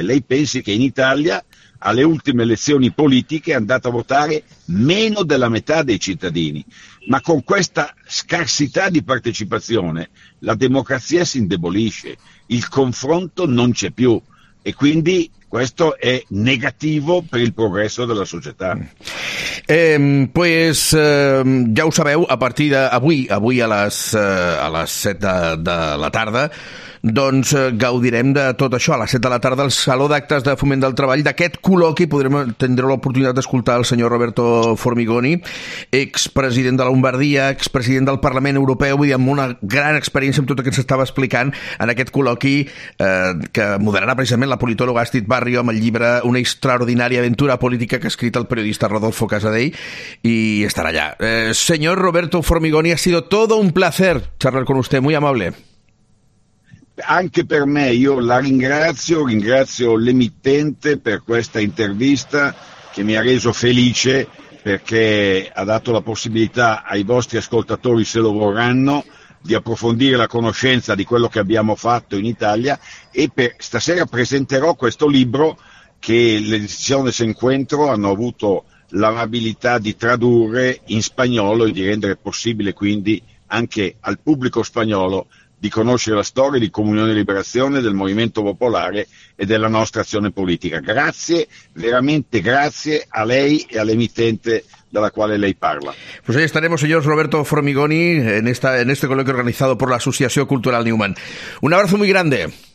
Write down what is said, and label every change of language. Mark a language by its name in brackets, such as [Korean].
[Italian] Lei pensi che in Italia alle ultime elezioni politiche è andata a votare meno della metà dei cittadini, ma con questa scarsità di partecipazione la democrazia si indebolisce, il confronto non c'è più e quindi questo è negativo per il progresso della società. [Catalan] Pues, ja ho sabeu, a partir d'avui, avui a les 7 de la tarda, doncs gaudirem de tot això, a les 7 de la tarda, al Saló d'Actes de Foment del Treball, d'aquest col·loqui podrem tindre l'oportunitat d'escoltar el senyor Roberto Formigoni, expresident de la Lombardia, expresident del Parlament Europeu, vull dir, amb una gran experiència en tot el que s'estava explicant en aquest col·loqui que moderarà precisament la politòloga Astrid Barrio amb el llibre Una extraordinària aventura política que ha escrit el periodista Rodolfo Casadell i estarà allà. [Spanish] Senyor Roberto Formigoni, ha sido todo un placer charlar con usted, muy amable. [Italian] Anche per me, io la ringrazio, ringrazio l'emittente per questa intervista che mi ha reso felice perché ha dato la possibilità ai vostri ascoltatori, se lo vorranno, di approfondire la conoscenza di quello che abbiamo fatto in Italia e per stasera presenterò questo libro che l'edizione Sencuentro hanno avuto l'amabilità di tradurre in spagnolo e di rendere possibile quindi anche al pubblico spagnolo di conoscere la storia di Comunione e Liberazione, del Movimento Popolare e della nostra azione politica. Grazie, veramente grazie a lei e all'emittente della quale lei parla. [Spanish] Pues ahí estaremos, señor Roberto Formigoni, en este coloquio organizzato por la Associazione Cultural Newman. Un abrazo muy grande.